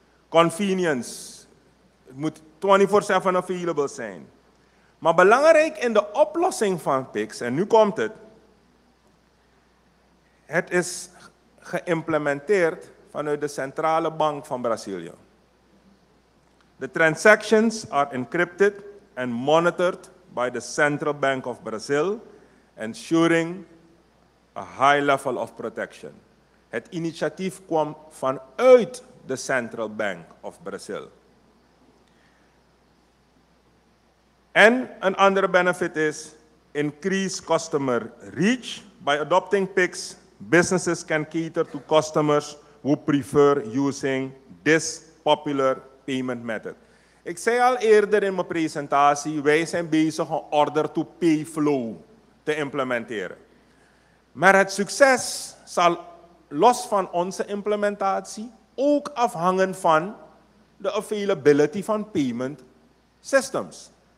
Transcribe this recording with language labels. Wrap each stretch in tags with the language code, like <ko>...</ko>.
<nl>Convenience. Het moet 24/7 available zijn. Maar belangrijk in de oplossing van PIX, en nu komt het. Het is geïmplementeerd vanuit de Centrale Bank van Brazilië.</nl> <en>The transactions are encrypted and monitored by the Central Bank of Brazil, ensuring a high level of protection.</en> <nl>Het initiatief kwam vanuit de Central Bank of Brazil. En een andere benefit is</nl> <en>increase customer reach. By adopting PIX, businesses can cater to customers who prefer using this popular payment method.</en> <nl>Ik zei al eerder in mijn presentatie, wij zijn bezig een order to pay flow te implementeren. Maar het succes zal los van onze implementatie ook afhangen van de availability van payment systems.</nl>